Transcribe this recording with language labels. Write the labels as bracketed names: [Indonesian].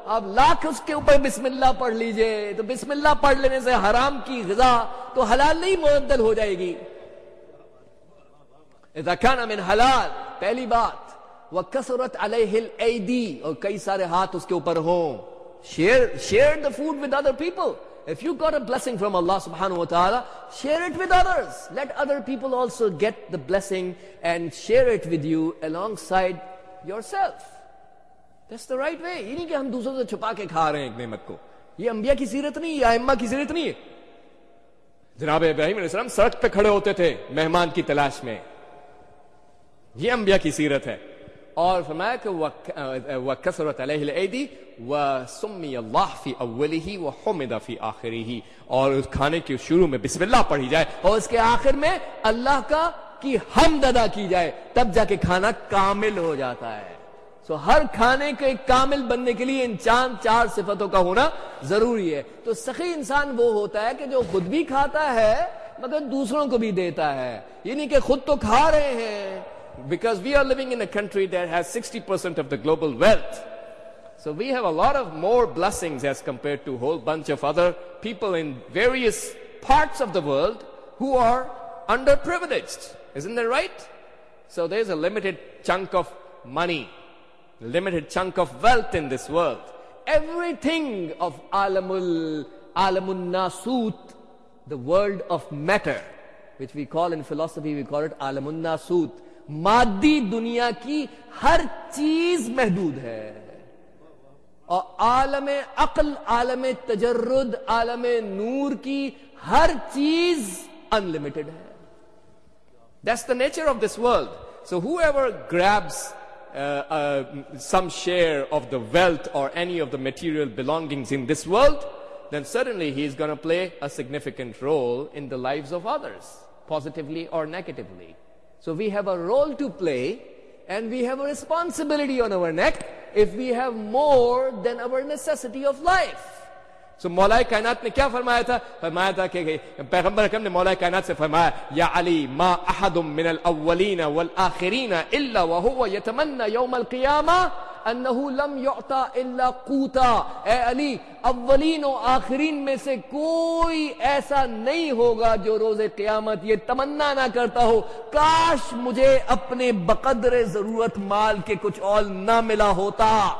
[Urdu] آپ لاکھ اس کے اوپر بسم اللہ پڑھ لیجئے تو بسم اللہ پڑھ لینے سے حرام کی غذا تو حلال نہیں معدل ہو جائے گی. [Arabic] اذا کان من حلال, [Urdu] پہلی بات. [Arabic] وکثرت علیہ الایدی, [Urdu] اور کئی سارے ہاتھ اس کے اوپر ہوں. [English] Share the food with other people. If you got a blessing from Allah subhanahu wa ta'ala, share it with others. Let other people also get the blessing and share it with you alongside yourself. That's the right way. [Urdu] یہ نہیں کہ ہم دوسروں سے چھپا کے کھا رہے ہیں ایک نعمت کو. یہ انبیاء کی سیرت نہیں, یہ ائمہ کی سیرت نہیں ہے. جناب ابراہیم علیہ السلام سڑک پہ کھڑے ہوتے تھے مہمان کی تلاش میں, یہ انبیاء کی سیرت ہے. اور فرمایا کہ [Arabic] وَكَسْرَتْ عَلَيْهِ الْعَيْدِ وَسُمِّيَ اللَّهِ فِي أَوَّلِهِ وَحُمِدَ فِي آخِرِهِ, [Urdu] اور اس کھانے کے شروع میں بسم اللہ پڑھی جائے اور اس کے آخر میں اللہ کا کی حمد ادا کی جائے, تب جا کے کھانا کامل ہو جاتا ہے. سو ہر کھانے کے کامل بننے کے لیے ان چاند چار صفتوں کا ہونا ضروری ہے. تو سخی انسان وہ ہوتا ہے کہ جو خود بھی کھاتا ہے مگر دوسروں کو بھی دیتا ہے, یعنی کہ خود تو کھا رہے ہیں. [English] Because we are living in a country that has 60% of the global wealth. So we have a lot of more blessings as compared to a whole bunch of other people in various parts of the world who are underprivileged. Isn't that right? So there's a limited chunk of money, limited chunk of wealth in this world. Everything of alamun nasut, the world of matter, which we call in philosophy, we call it alamun nasut. [Urdu] مادی دنیا کی ہر چیز محدود ہے, اور عالم عقل, عالم تجرد, عالم نور کی ہر چیز انلمیٹڈ ہے. [English] That's the nature of this world. So whoever grabs some share of the wealth or any of the material belongings in this world, then certainly he is going to play a significant role in the lives of others, positively or negatively. So we have a role to play and we have a responsibility on our neck if we have more than our necessity of life. [Arabic] So Maulai Kainat [Urdu] نے کیا فرمایا تھا, فرمایا تھا کہ پیغمبر اکرم نے مولائے کائنات سے فرمایا, [Arabic] یا علی ما احد من الاولین والآخرین الا وهو يتمنى يوم القيامة انه لم يعطى الا قوتا. [Urdu] اے علی, اولین و آخرین میں سے کوئی ایسا نہیں ہوگا جو روز قیامت یہ تمنا نہ کرتا ہو, کاش مجھے اپنے بقدر ضرورت مال کے کچھ اول نہ ملا ہوتا.